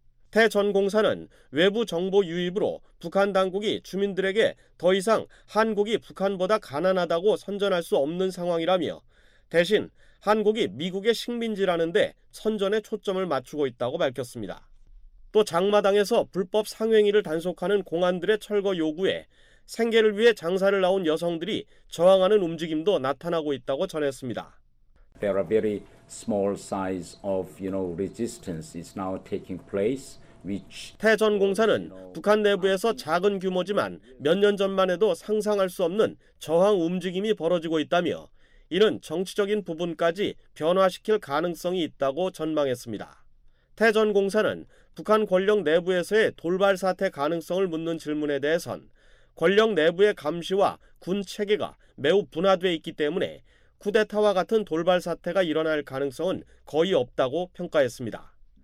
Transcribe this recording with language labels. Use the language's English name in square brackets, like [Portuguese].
[Korean] 태 전 공사는 외부 정보 유입으로 북한 당국이 주민들에게 더 이상 한국이 북한보다 가난하다고 선전할 수 없는 상황이라며 대신 한국이 미국의 식민지라는 데 선전에 초점을 맞추고 있다고 밝혔습니다. 또 장마당에서 불법 상행위를 단속하는 공안들의 철거 요구에 생계를 위해 장사를 나온 여성들이 저항하는 움직임도 나타나고 있다고 전했습니다. [English] There are very small size of, you know, resistance is now taking place which [Korean] 태전 공사는 북한 내부에서 작은 규모지만 몇 년 전만 해도 상상할 수 없는 저항 움직임이 벌어지고 있다며 이는 정치적인 부분까지 변화시킬 가능성이 있다고 전망했습니다. 태전 공사는 북한 권력 내부에서의 돌발 사태 가능성을 묻는 질문에 대해선 권력 내부의 감시와 군 체계가 매우 분화돼 있기 때문에 쿠데타와 같은 돌발 사태가 일어날 가능성은 거의 없다고 평가했습니다.